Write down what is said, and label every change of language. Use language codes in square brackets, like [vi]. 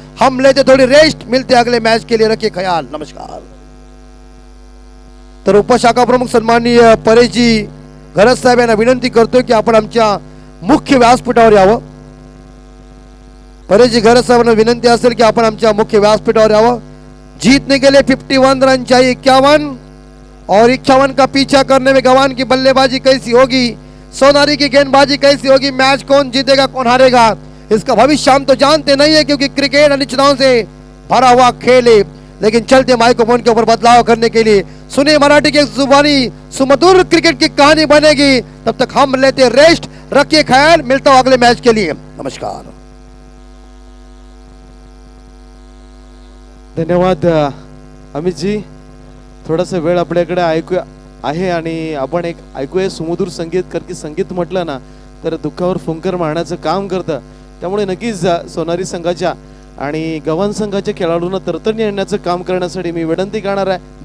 [hi] हम लेते थोड़ी रेस्ट मिलते अगले मैच के लिए रखे ख्याल नमस्कार। [mr] तर उपशाखा प्रमुख सन्मानीय परेश जी घरत साहब यांना विनंती करतो की आपण आमच्या मुख्य व्यासपीठावर यावं। परेशजी घरत साहेबांना विनंती असेल की आपण आमच्या मुख्य व्यासपीठावर यावं। [hi] जीतने के लिए 51 रन चाहिए 51 और 51 का पीछा करने में गवान की बल्लेबाजी कैसी होगी सोनारी की गेंदबाजी कैसी होगी, मैच कौन जीतेगा कौन हारेगा, इसका भविष्य हम तो जानते नहीं है क्योंकि क्रिकेट अनिश्चितताओं से भरा हुआ खेल है। लेकिन चलते माइक्रोफोन के ऊपर बदलाव करने के लिए, सुने मराठी की जुबानी सुमधुर क्रिकेट की कहानी बनेगी, तब तक हम लेते रेस्ट, रखिए ख्याल, मिलता हूं अगले मैच के लिए, नमस्कार। [mr] धन्यवाद अमित जी, थोड़ा सा वेळ आपल्याकडे ऐकूया आहे आणि आपण एक ऐकूया सुमधुर संगीत, कारण की संगीत म्हटलं ना तर दुःखावर फुंकर मारण्याचं काम करतं, त्यामुळे नक्कीच सोनारी संघाच्या आणि गवन संघाच्या खेळाडूंना तरतरणी आणण्याचं काम करण्यासाठी मी विनंती करणार आहे।